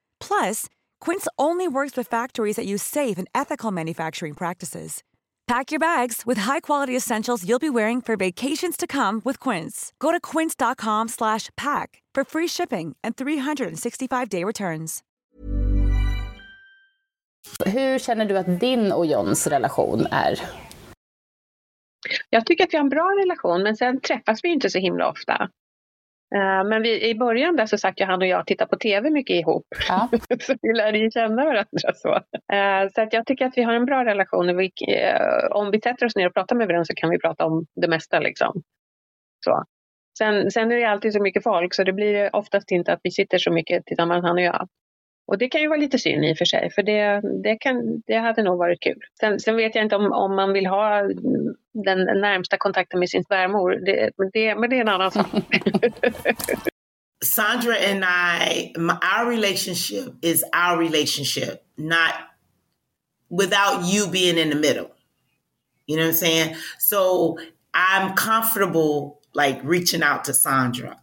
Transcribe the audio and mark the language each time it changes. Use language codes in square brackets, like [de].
[en] Plus, Quince only works with factories that use safe and ethical manufacturing practices. Pack your bags with high-quality essentials you'll be wearing for vacations to come with Quince. Go to quince.com/pack for free shipping and 365-day returns. [sv] Hur känner du att din och Johns relation är? Jag tycker att vi har en bra relation, men sen träffas vi inte så himla ofta. Men vi, i början där så satt ju han och jag tittar på tv mycket ihop. Ja. Så vi lärde ju känna varandra så. Så att jag tycker att vi har en bra relation. Om vi sätter oss ner och pratar med varandra så kan vi prata om det mesta liksom. Så. Sen är det alltid så mycket folk så det blir oftast inte att vi sitter så mycket tillsammans han och jag. Och det kan ju vara lite synd i och för sig. För det hade nog varit kul. Sen vet jag inte om man vill ha den närmsta kontakten med sin svärmor. Men det är en annan sak. [en] Sandra and I, our relationship is our relationship. Not without you being in the middle. You know what I'm saying? So I'm comfortable like reaching out to Sandra.